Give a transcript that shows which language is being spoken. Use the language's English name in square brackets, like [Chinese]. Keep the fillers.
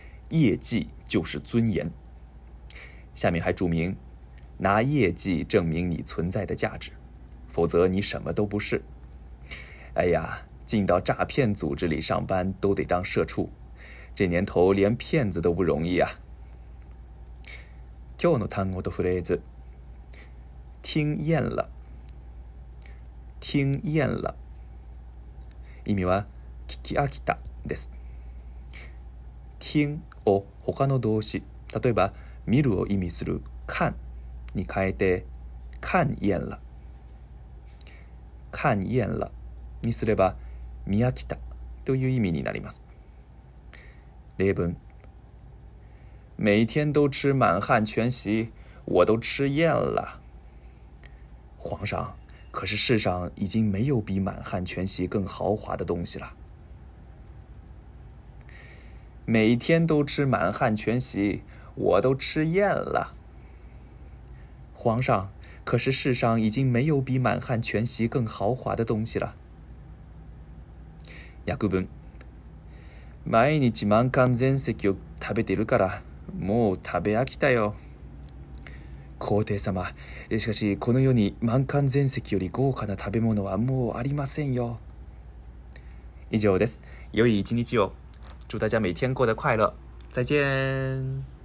[Chinese] 业绩就是尊严。下面还注明，拿业绩证明你存在的价值，否则你什么都不是。哎呀，进到诈骗组织里上班都得当社畜，这年头连骗子都不容易啊。 [Japanese] 今日の単語とフレーズ。 [Chinese] 听厌了，听厌了。 [Japanese] 意味は聞き飽きたです。听を他の動詞例えば見るを意味する看に変えて [Chinese] 看厌了看厌了 [Japanese] にすれば見飽きたという意味になります例文 [Chinese] 每天都吃满汉全席我都吃厌了皇上可是世上已经没有比满汉全席更豪华的东西了每天都吃满汉全席，我都吃厌了。皇上，可是世上已经没有比满汉全席更豪华的东西了。 [Japanese] 亚古文，毎日満漢全席を食べているから、もう食べ飽きたよ。皇帝様、しかしこの世に満漢全席より豪華な食べ物はもうありませんよ。以上です。良い一日を。 [Chinese] 祝大家每天过得快乐，再见。